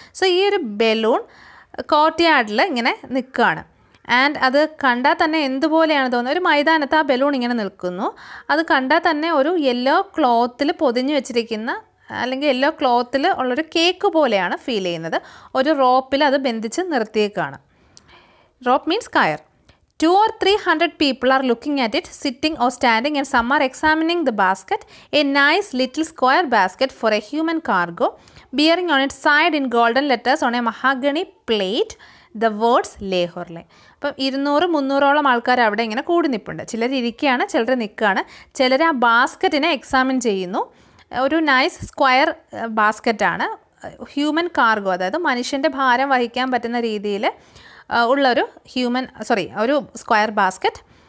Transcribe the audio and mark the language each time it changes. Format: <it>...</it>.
<ml>So ഈ ഒരു balloon court യാർഡിൽ ഇങ്ങനെ നിൽക്കുകയാണ്. ആൻഡ് അത് കണ്ടാൽ തന്നെ എന്തുപോലെയാണ് തോന്നുന്നത്, ഒരു മൈതാനത്ത് ആ ബലൂൺ ഇങ്ങനെ നിൽക്കുന്നു. അത് കണ്ടാൽ തന്നെ ഒരു യെല്ലോ ക്ലോത്തിൽ പൊതിഞ്ഞു വെച്ചിരിക്കുന്ന അല്ലെങ്കിൽ യെല്ലോ ക്ലോത്തിൽ ഉള്ളൊരു കേക്ക് പോലെയാണ് ഫീൽ ചെയ്യുന്നത്. ഒരു റോപ്പിൽ അത് ബന്ധിച്ച് നിർത്തിയേക്കാണ്. റോപ്പ് മീൻസ് കയർ.</ml> <en>200 or 300 people are looking at it, sitting or standing, and some are examining the basket, a nice little square basket for a human cargo, bearing on its side in golden letters on a mahogany plate the words Leh Horla.</en> <ml>അപ്പം 200-300 ആൾക്കാർ അവിടെ ഇങ്ങനെ കൂടി നിൽപ്പുണ്ട്. ചിലർ ഇരിക്കുകയാണ്, ചിലർ നിൽക്കുകയാണ്, ചിലർ ആ ബാസ്കറ്റിനെ എക്സാമിൻ ചെയ്യുന്നു. ഒരു നൈസ് സ്ക്വയർ ബാസ്കറ്റാണ്. ഹ്യൂമൻ കാർഗോ, അതായത് മനുഷ്യൻ്റെ ഭാരം വഹിക്കാൻ പറ്റുന്ന രീതിയിൽ ഉള്ളൊരു ഹ്യൂമൻ സോറി ഒരു സ്ക്വയർ ബാസ്ക്കറ്റ്.</ml>